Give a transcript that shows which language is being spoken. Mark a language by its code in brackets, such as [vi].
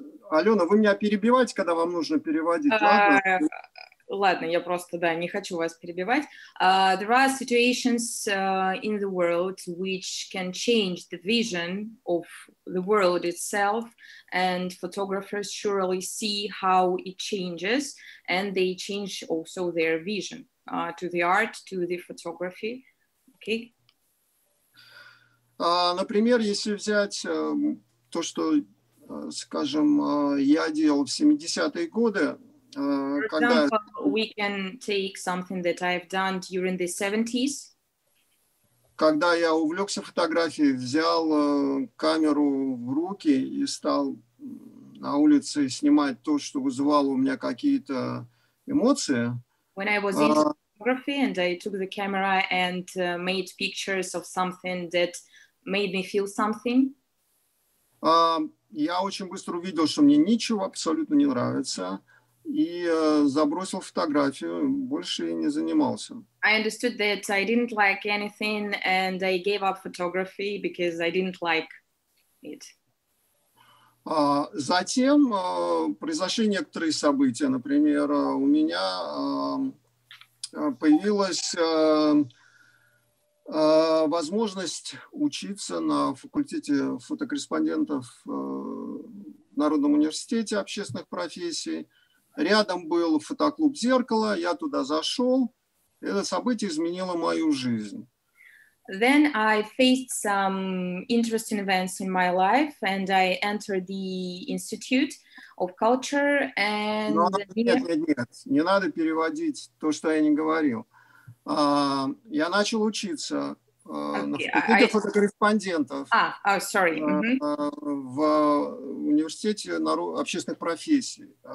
[ru] Алена, вы меня перебиваете, когда вам нужно переводить? Ладно, я просто, да, не хочу вас перебивать. [en] There are situations in the world which can change the vision of the world itself, and photographers surely see how it changes, and they change also their vision to the art, to the photography. Okay? [ru] Например, если взять то, что, скажем, я делал в 70-е годы, когда... [en] For example, we can take something that I've done during the 70s. [ru] Когда я увлекся фотографией, взял камеру в руки и стал на улице снимать то, что вызывало у меня какие-то эмоции. [en] When I was into photography and I took the camera and made pictures of something that made me feel something. [ru] Я очень быстро увидел, что мне ничего абсолютно не нравится, и забросил фотографию, больше не занимался. [en] I understood that I didn't like anything and I gave up photography because I didn't like it. [ru] Затем произошли некоторые события. Например, у меня появилась возможность учиться на факультете фотокорреспондентов в Народном университете общественных профессий. Рядом был фотоклуб «Зеркало», я туда зашел. Это событие изменило мою жизнь. [en] Then I faced some interesting events in my life, and I entered the Institute of Culture. And [ru] нет, не надо переводить то, что я не говорил. Я начал учиться на факультете фотокорреспондентов. В университете общественных профессий.